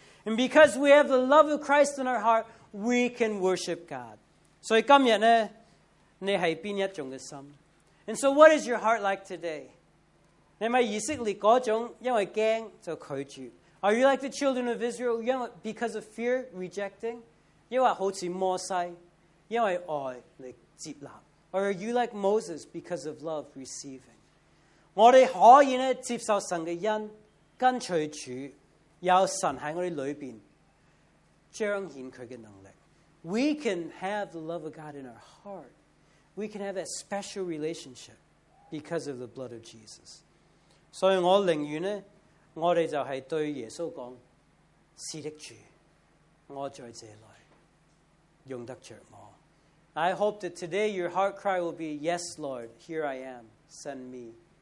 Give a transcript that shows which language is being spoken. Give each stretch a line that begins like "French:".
English: And because we have the love of Christ in our heart, we can worship God.
Chinese: 所以今天呢, 你是哪一种的心?
English: And so what is your heart like today?
Chinese: 你是以色列那种因为怕就拒绝?
English: Are you like the children of Israel, because of fear, rejecting?
Chinese: 因为好像摩西, 因为爱你接纳?
English: Or are you like Moses, because of love, receiving?
Chinese: 我们可以接受神的恩, 跟随主, 有神在我们里面, 彰显祂的能力。
English: We can have the love of God in our heart. We can have a special relationship because of the blood of Jesus.
Chinese: 所以我宁愿呢, 我们就是对耶稣说, 是的主, 我在这里, 用得着我。
English: I hope that today your heart cry will be, Yes, Lord, here I am, send me.